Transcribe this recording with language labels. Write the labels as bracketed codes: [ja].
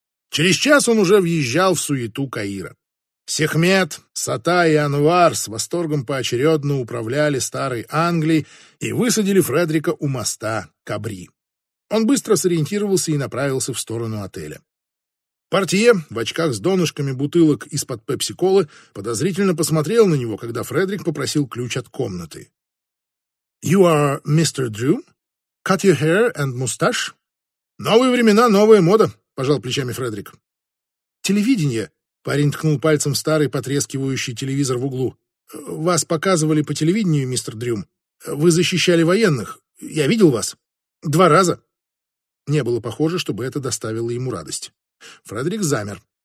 [ru] Через час он уже въезжал в суету Каира. Сехмет, Сата и Анвар с восторгом поочередно управляли старой Англией и высадили Фредерика у моста Кабри. Он быстро сориентировался и направился в сторону отеля. Портье в очках с донышками бутылок из-под пепси-колы подозрительно посмотрел на него, когда Фредерик попросил ключ от комнаты. [en] «You are Mr. Drew? Cut your hair and mustache?» [ru] «Новые времена, новая мода», — пожал плечами Фредерик. «Телевидение», — парень ткнул пальцем в старый потрескивающий телевизор в углу. «Вас показывали по телевидению, мистер Дрюм. Вы защищали военных. Я видел вас. Два раза». Не было похоже, чтобы это доставило ему радость. Фредерик замер.